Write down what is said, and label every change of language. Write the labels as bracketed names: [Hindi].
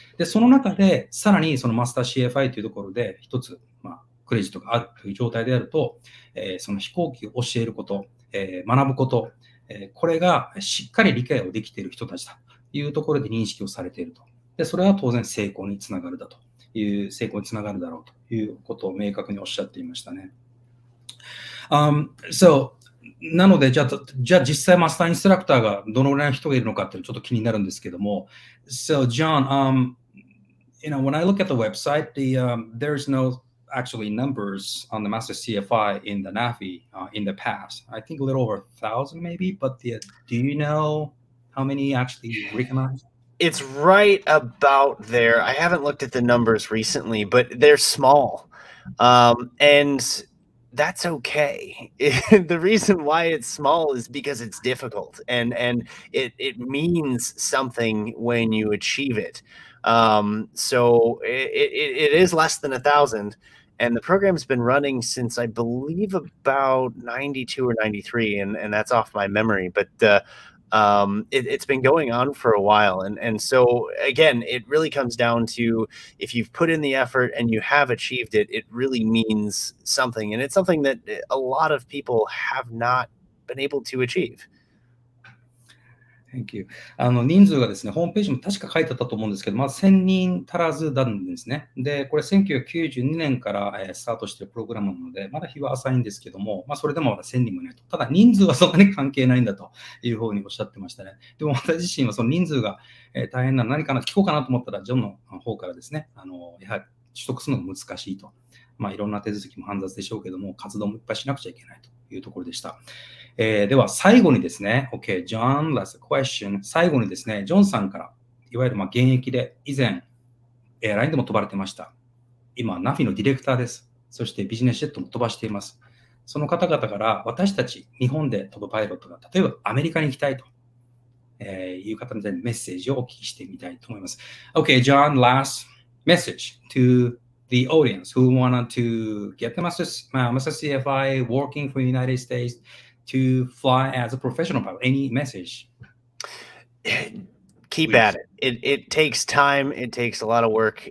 [Japanese] でその中でさらにそのマスター CFI というところで一つ、クレジットがあるという状態であると、その飛行機を教えること、学ぶこと、これがしっかり理解をできている人たちだというところで認識をされていると。でそれは当然成功につながるだという成功につながるだろうということを明確におっしゃっていましたね。なので、じゃあ実際マスターインストラクターがどのぐらいの人がいるのかっていうのちょっと気になるんですけども。 [English] So, John, you know, when I look at the website, there's no actually numbers on the master CFI in the NAFI, in the past. I think a little over 1,000 maybe, but do you know how many actually recognize? It's right about there. I haven't looked at the numbers recently, but they're small. And that's okay. The reason why it's small is because it's difficult, and it means something when you achieve it. So it is less than 1,000, and the program's been running since I believe about 92 or 93, and that's off my memory, but it's been going on for a while. And so again, it really comes down to if you've put in the effort and you have achieved it, it really means something. And it's something that a lot of people have not been able to achieve. Thank you. [Japanese] 人数がですね、ホームページも確か書いてあったと思うんですけど、まあ、1000人足らずなんですね。で、これ1992年から、スタートしているプログラムなので、まだ日は浅いんですけども、まあ、それでもまだ1000人もいないと。ただ、人数はそんなに関係ないんだというふうにおっしゃってましたね。でも、私自身はその人数が、大変な、何かな、聞こうかなと思ったら、ジョンの方からですね、やはり取得するのが難しいと。まあ、いろんな手続きも煩雑でしょうけども、活動もいっぱいしなくちゃいけないというところでした。では最後にですね、 [English] Okay, John, last question. [Japanese] 最後にですね、ジョンさんから、いわゆるまあ現役で、以前、エアラインでも飛ばれてました。今、NAFI のディレクターです。そしてビジネスジェットも飛ばしています。その方々から、私たち、日本で飛ぶパイロットが、例えばアメリカに行きたいと。いう方みたいにメッセージをお聞きしてみたいと思います。 [English] Okay, John, last message to the audience who wanted to get the master CFI working for the United States.To fly as a professional pilot. Any message keep at it. It takes time. It takes a lot of work.